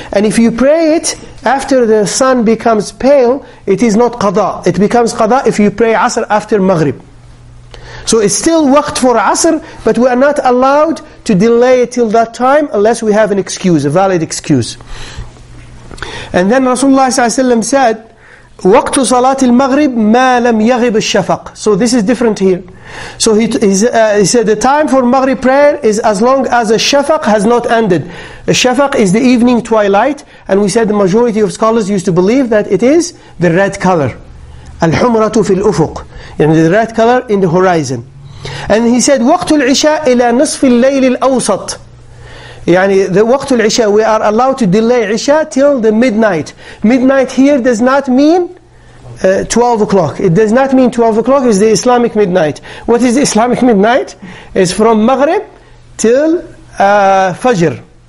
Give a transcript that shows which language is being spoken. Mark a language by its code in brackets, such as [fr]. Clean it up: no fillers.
[en] And if you pray it after the sun becomes pale, it is not qada. It becomes qada if you pray Asr after Maghrib. So it's still waqt for Asr, but we are not allowed to delay it till that time unless we have an excuse, a valid excuse. And then Rasulullah ﷺ said, [ar] وقت صلاة المغرب ما لم يغب الشفق. [en] So this is different here. So he said the time for Maghrib prayer is as long as the shafaq has not ended. The shafaq is the evening twilight, and we said the majority of scholars used to believe that it is the red color, [ar] الحمرة في الأفق, [en] and the red color in the horizon. And he said [ar] وقت العشاء إلى نصف الليل الأوسط. [en] يعني the وقت العشاء, we are allowed to delay عشاء till the midnight. Midnight here does not mean 12 o'clock. It does not mean 12 o'clock is the Islamic midnight. What is the Islamic midnight? It's from Maghrib till Fajr.